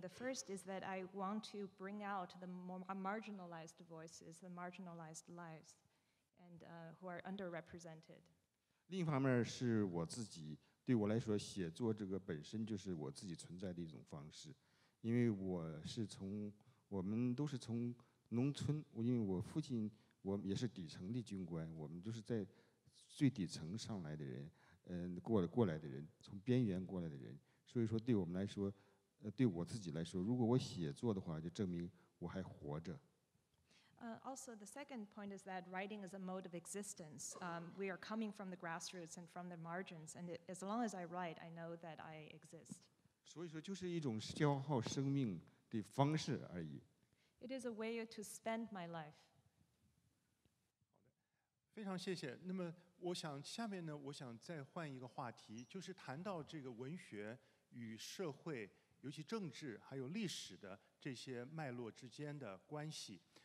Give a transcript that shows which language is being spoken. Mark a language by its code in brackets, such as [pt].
[en] The first is that I want to bring out the more marginalized voices, the marginalized lives, and who are underrepresented. [zh] 另一方面是我自己，对我来说，写作这个本身就是我自己存在的一种方式，因为我们都是从农村，因为我父亲我也是底层的军官，我们就是在最底层上来的人。过来的人，从边缘过来的人，所以说对我们来说，对我自己来说，如果我写作的话，就证明我还活着。 [en] Also, the second point is that writing is a mode of existence. We are coming from the grassroots and from the margins, and as long as I write, I know that I exist. [zh] 所以说，就是一种消耗生命的方式而已。 [en] It is a way to spend my life. [zh] 好的，非常谢谢。那么。我想下面呢，我想再换一个话题，就是谈到这个文学与社会，尤其政治还有历史的这些脉络之间的关系。